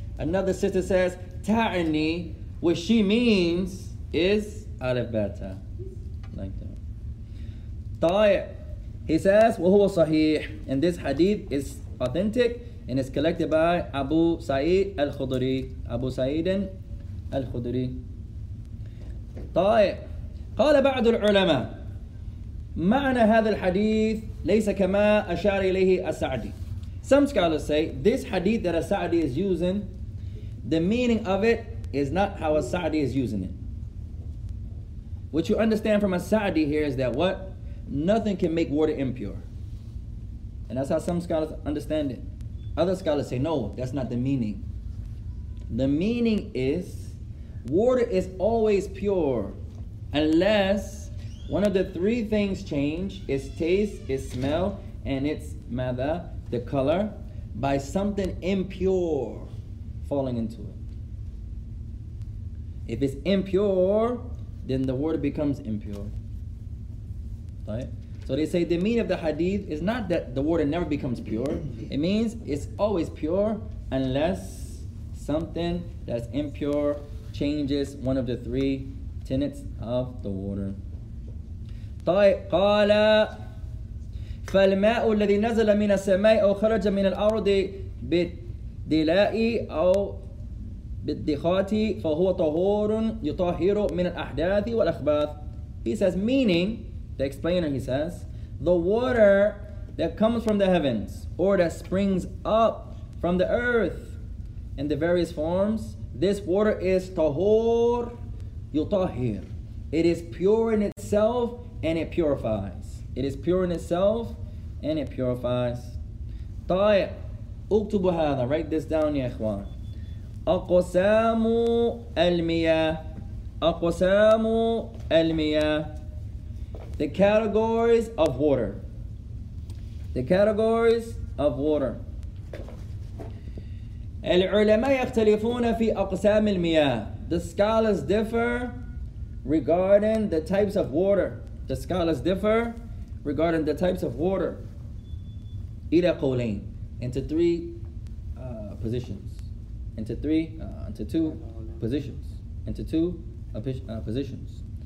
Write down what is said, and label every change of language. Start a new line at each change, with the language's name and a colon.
English: Another sister says, Ta'ni, what she means is Alif Bata. Like that. Ta'i, he says,
Arabic: Wa huwa sahih.
English: And this hadith is authentic. And it's collected by Abu Sa'id al-Khudri. Abu Sa'id al-Khudri. طيب.
Arabic: قال بعض العلماء معنى هذا الحديث ليس كما أشار إليه السعدي.
English: Some scholars say this hadith that السعدي is using, the meaning of it is not how السعدي is using it. What you understand from السعدي here is that what? Nothing can make water impure. And that's how some scholars understand it. Other scholars say, no, that's not the meaning. The meaning is, water is always pure unless one of the three things change, its taste, its smell, and its matter, the color, by something impure falling into it. If it's impure, then the water becomes impure. Right? So they say the meaning of the hadith is not that the water never becomes pure. It means it's always pure unless something that's impure changes one of the three tenets of the water.
Arabic: طيب قال فالماء الذي نزل من السماء أو خرج من الأرض بالدلاء أو بالدخات فهو طهور يطهر من الأحداث والأخباث.
English: He says, meaning, the explainer, he says, the water that comes from the heavens or that springs up from the earth in the various forms, this water is tahur yutahir. It is pure in itself and it purifies. It is pure in itself and it purifies.
Arabic: طيب اكتبوا هذا.
English: Write this down,
Arabic: يا اخوان. اقسام المياه. اقسام المياه.
English: The categories of water. The categories of water.
Arabic: العلماء يختلفون في أقسام المياه.
English: The scholars differ regarding the types of water. The scholars differ regarding the types of water.
Arabic: إلى قولين.
English: Into three positions. Into three, into two positions. Into two positions.